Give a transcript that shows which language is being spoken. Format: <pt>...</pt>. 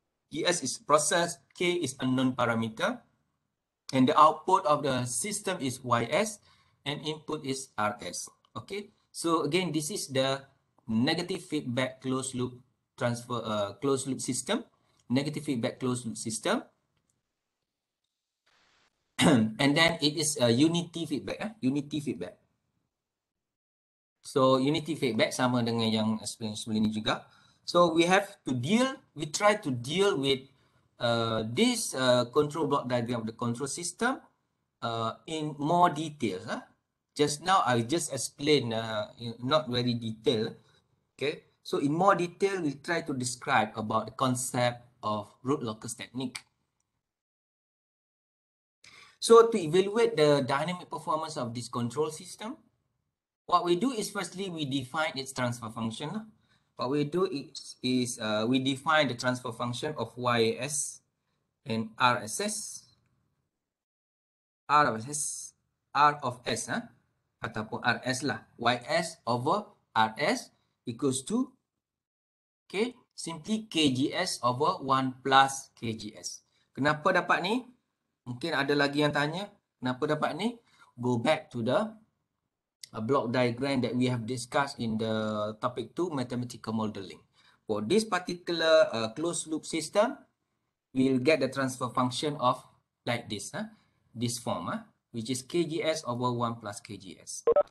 <en>GS is process, K is unknown parameter, and the output of the system is YS, and input is RS. Okay, so again, this is the negative feedback closed loop transfer, closed loop system, negative feedback closed loop system, and then it is a unity feedback, unity feedback.</en> <ms>So unity feedback sama dengan yang explain sebelum ini juga.</ms> <en>So we have to deal, we try to deal with this control block diagram of the control system in more details. Just now I just explained not very detailed. Okay, so in more detail we try to describe about the concept of root locus technique. So to evaluate the dynamic performance of this control system, what we do is firstly we define its transfer function. What we do is we define the transfer function of YS and RSS, RSS, R of S,</en> <ms>ataupun RS lah,</ms> <en>YS over RS equals to, okay, simply KGS over 1 plus KGS.</en> <ms>Kenapa dapat ni? Mungkin ada lagi yang tanya, kenapa dapat ni?</ms> <en>Go back to the block diagram that we have discussed in the topic 2, mathematical modeling. For this particular closed loop system, we'll get the transfer function of like this, this form, which is KGS over 1 plus KGS.</en>